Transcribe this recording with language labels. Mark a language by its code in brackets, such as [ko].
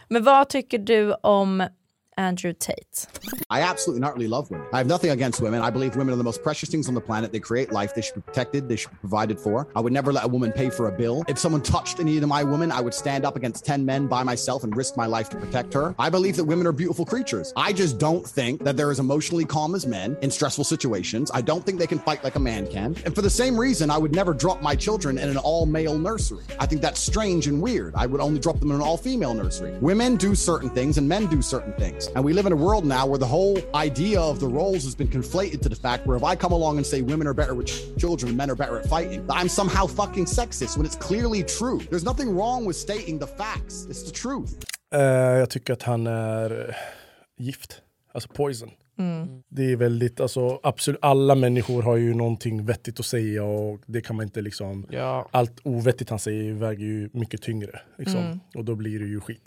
[sv] Men vad tycker du om Andrew Tate? [en] I absolutely not really love women. I have nothing against women. I believe women are the most precious things on the planet. They create life. They should be protected. They should be provided for. I would never let a woman pay for a bill. If someone touched any of my women, I would stand up against 10 men by myself and risk my life to protect her. I believe that women are beautiful creatures. I just don't think that they're as emotionally calm as men in stressful situations. I don't think they can fight like a man can. And for the same reason, I would never drop my children in an all-male nursery. I think that's strange and weird. I would only drop them in an all-female nursery. Women do certain things and men do certain things. And we live in a world now where the whole idea of the roles has been conflated to the fact where if I come along and say women are better with children and men are better at fighting, I'm somehow fucking sexist when it's clearly true. There's nothing wrong with stating the facts. It's the truth. [sv] Jag tycker att han är gift. Alltså poison. Det är väldigt, alltså absolut, alla människor har ju någonting vettigt att säga, och det kan man inte liksom, allt ovettigt han säger väger ju mycket tyngre liksom. Och då blir det ju skit.